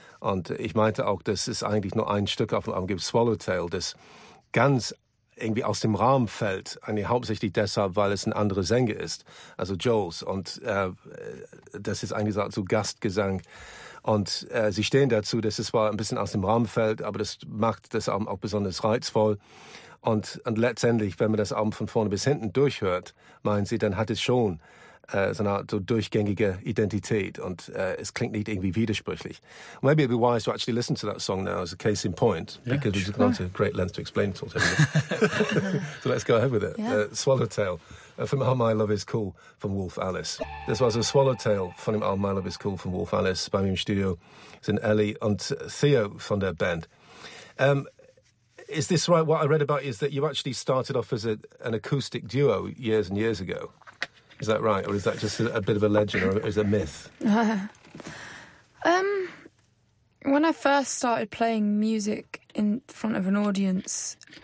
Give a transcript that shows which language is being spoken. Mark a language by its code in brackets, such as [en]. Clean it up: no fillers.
[de] Und ich meinte auch, dass es eigentlich nur ein Stück auf dem Album gibt, Swallowtail, das ganz irgendwie aus dem Rahmen fällt, eigentlich hauptsächlich deshalb, weil es ein anderer Sänger ist, also Joel's, und das ist eigentlich so Gastgesang, und sie stehen dazu, dass es zwar ein bisschen aus dem Rahmen fällt, aber das macht das Album auch besonders reizvoll, und letztendlich, wenn man das Album von vorne bis hinten durchhört, meinen sie, dann hat es schon so eine Art so durchgängige Identität, und es klingt nicht irgendwie widersprüchlich. [en] Maybe it'd be wise to actually listen to that song now as a case in point, because it's gone to great length to explain it all to everyone. So let's go ahead with it. Swallowtail from All My Love Is Cool from Wolf Alice. [de] Das war so Swallowtail von All My Love Is Cool from Wolf Alice bei mir im Studio. Es sind Ellie und Theo von der Band. [en] Is this right? What I read about is that you actually started off as an acoustic duo years and years ago. Is that right, or is that just a bit of a legend, or is it a myth? When I first started playing music in front of an audience,